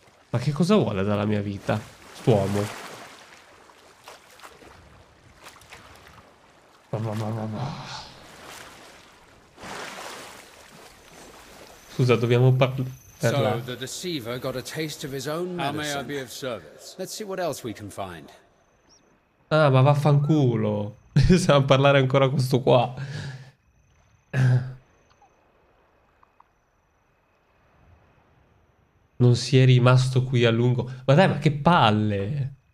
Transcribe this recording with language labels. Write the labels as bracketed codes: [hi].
[it] Ma che cosa vuole dalla mia vita? Quest'uomo. Scusa, dobbiamo parlare. [en] So the deceiver got a taste of his own medicine. How may I be of service? Let's see what else we can find. [it] Ah, ma vaffanculo. Possiamo parlare ancora questo qua. Non si è rimasto qui a lungo. Ma dai, ma che palle.